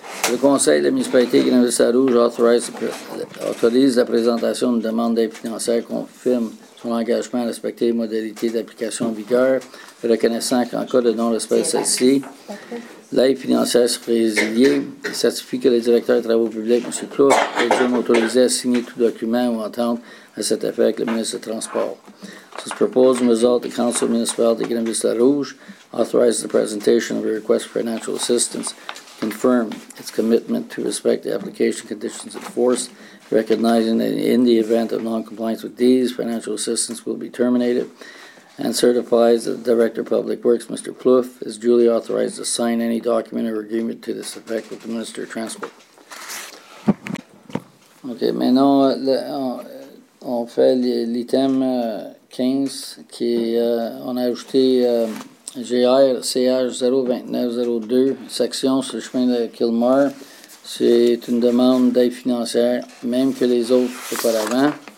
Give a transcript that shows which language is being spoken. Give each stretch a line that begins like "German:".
French: Le conseil de la municipalité de Grenville-Sarrouge autorise la présentation d'une demande d'aide financière confirme son engagement à respecter les modalités d'application en vigueur, reconnaissant qu'en cas de non-respect de celle-ci, l'aide financière sera résiliée, certifie que le directeur des travaux publics, M. Plouffe, est bien autorisé à signer tout document ou entente à cet effet avec le ministre des Transports.
English: This proposal result the Council Municipal de Grenville-Sarrouge authorizes the presentation of a request for financial assistance, confirm its commitment to respect the application conditions enforced, recognizing that in the event of non-compliance with these, financial assistance will be terminated, and certifies that the Director of Public Works, Mr. Plouffe, is duly authorized to sign any document or agreement to this effect with the Minister of Transport.
French: Okay, maintenant, on fait l'item 15, qui on a ajouté GR-CH-029-02, section sur le chemin de Kilmar. C'est une demande d'aide financière, même que les autres auparavant.